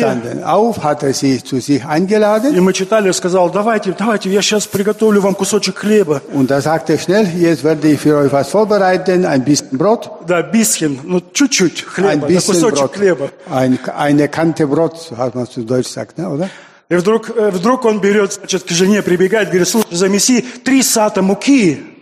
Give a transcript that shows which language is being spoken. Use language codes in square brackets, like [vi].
[de] Standen auf, hat sie zu sich eingeladen. [ru] И мы читали, сказал, давайте, я сейчас приготовлю вам кусочек хлеба. [de] Und er sagte schnell, jetzt werde ich für euch was vorbereiten, ein bisschen Brot. [ru] Да, bisschen, ну, чуть-чуть хлеба, [de] ein bisschen [ru] да, кусочек [de] Brot. [ru] Хлеба. [de] Eine Kante Brot, hat man zu Deutsch gesagt, ne, oder? [ru] И вдруг он берет, значит, к жене прибегает, говорит, слушай, замеси 3 сата муки.